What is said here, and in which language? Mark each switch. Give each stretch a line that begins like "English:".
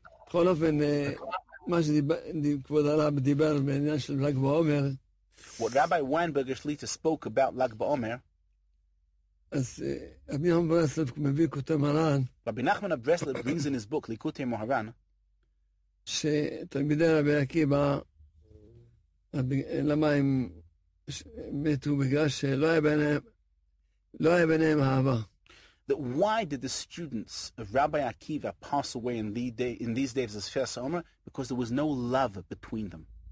Hebrew: בכל אופן, מה שכבוד הרב דיבר בעניין של ל"ג בעומר,
English: what Rabbi Weinberger Shlita spoke about ל"ג בעומר,
Hebrew: אז רבי נחמן ברסלב מביא ליקוטי מוהר"ן,
English: רבי נחמן ברסלב brings in his book ליקוטי מוהר"ן,
Hebrew: שתלמידי רבי עקיבא, למה הם מתו? בגלל שלא היה ביניהם אהבה.
English: That why did the students of Rabbi Akiva pass away in these days, as Shas Omer? Because there was no love between them.